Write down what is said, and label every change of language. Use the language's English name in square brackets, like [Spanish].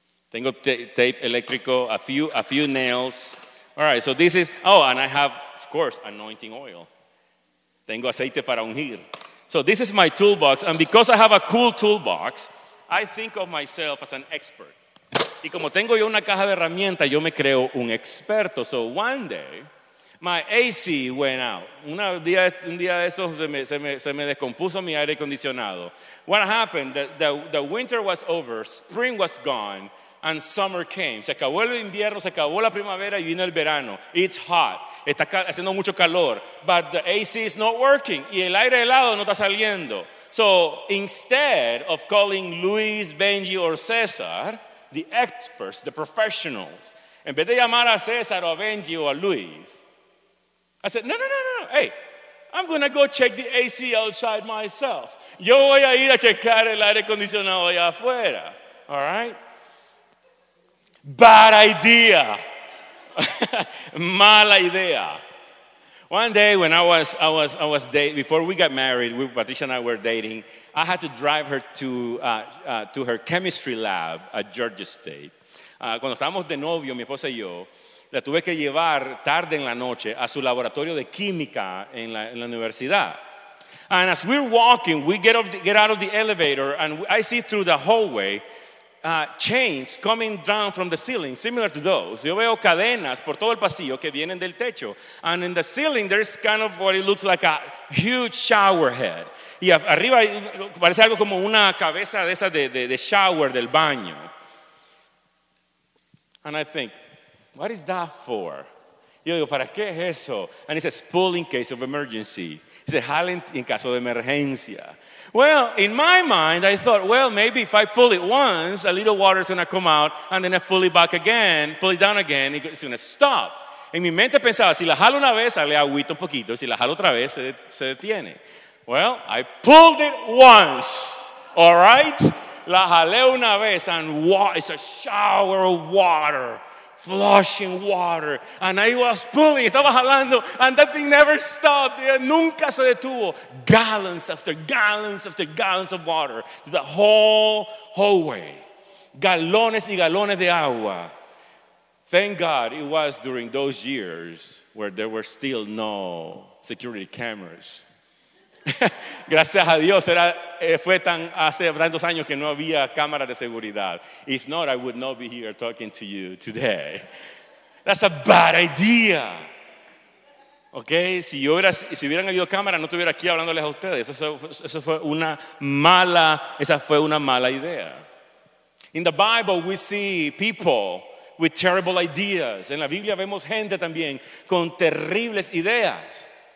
[Spanish] Tengo tape eléctrico, [English] a few nails. All right, so this is, oh, and I have, of course, anointing oil. [Spanish] Tengo aceite para ungir. [English] So this is my toolbox, and because I have a cool toolbox, I think of myself as an expert. [Spanish] Y como tengo yo una caja de herramientas, yo me creo un experto. [English] So one day, my AC went out. [Spanish] Un día de esos se me descompuso mi aire acondicionado. [English] What happened? The winter was over, spring was gone, and summer came. [Spanish] Se acabó el invierno, se acabó la primavera y vino el verano. [English] It's hot. [Spanish] Está haciendo mucho calor. [English] But the AC is not working. [Spanish] Y el aire helado no está saliendo. [English] So instead of calling Luis, Benji, or César, the experts, the professionals, [Spanish] en vez de llamar a César o a Benji o a Luis, [English] I said, no. Hey, I'm going to go check the AC outside myself. [Spanish] Yo voy a ir a checar el aire acondicionado allá afuera. [English] All right? Bad idea. [Spanish] Mala idea. [English] One day when I was dating, before we got married, Patricia and I were dating, I had to drive her to her chemistry lab at Georgia State. [Spanish] Cuando estábamos de novio, mi esposa y yo, la tuve que llevar tarde en la noche a su laboratorio de química en la universidad. [English] And as we're walking, we get out of the elevator, and I see through the hallway chains coming down from the ceiling, similar to those. [Spanish] Yo veo cadenas por todo el pasillo que vienen del techo. [English] And in the ceiling, there's kind of what it looks like a huge shower head. [Spanish] Y arriba parece algo como una cabeza de esas de shower del baño. [English] And I think, what is that for? [Spanish] Yo digo, ¿para qué es eso? [English] And he says, pull in case of emergency. He says, [Spanish] jalen en caso de emergencia. [English] Well, in my mind, I thought, well, maybe if I pull it once, a little water is going to come out, and then I pull it back again, pull it down again, it's going to stop. [Spanish] En mi mente pensaba, si la jalo una vez, sale agüita un poquito, si la jalo otra vez, se detiene. [English] Well, I pulled it once, all right? [Spanish] La jalé una vez, [English] and it's a shower of water, flushing water, and I was pulling, [Spanish] estaba jalando, [English] and that thing never stopped, it [Spanish] nunca se detuvo, [English] gallons after gallons after gallons of water, to the whole hallway, [Spanish] galones y galones de agua. [English] Thank God it was during those years where there were still no security cameras. [Spanish] Gracias a Dios, fue tan hace tantos años que no había cámara de seguridad. [English] If not, I would not be here talking to you today. That's a bad idea. [Spanish] Okay, si hubieran habido cámara, no estuviera aquí hablándoles a ustedes. Esa fue una mala idea. [English] In the Bible, we see people with terrible ideas. [Spanish] En la Biblia vemos gente también con terribles ideas.